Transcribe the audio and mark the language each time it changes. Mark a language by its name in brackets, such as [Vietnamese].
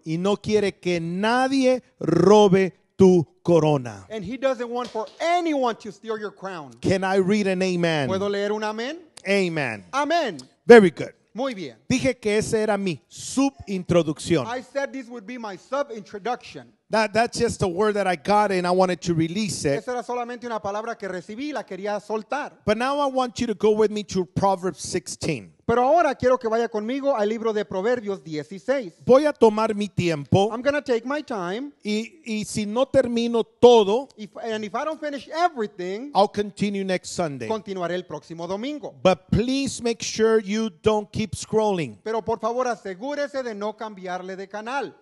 [Spanish] Y no quiere que nadie robe tu corona. [English] And he doesn't want for anyone to steal your crown. Can I read an amen? [Spanish] ¿Puedo leer un amén? [English] Amen. [Spanish] Amen. [English] Very good. [Spanish] Muy bien. Dije que ese era mi subintroducción. [English] I said this would be my subintroduction. That's just a word that I got and I wanted to release it. [Spanish] Esa era solamente una palabra que recibí y la quería soltar. [English] But now I want you to go with me to Proverbs 16. [Spanish] Pero ahora quiero que vaya conmigo al libro de Proverbios 16. Voy a tomar mi tiempo. [English] I'm going to take my time. [Spanish] Y si no termino todo, [English] if I don't finish everything, I'll continue next Sunday. [Spanish] Continuaré el próximo domingo. [English] But please make sure you don't keep scrolling. [Spanish] Pero por favor asegúrese de no cambiarle de canal.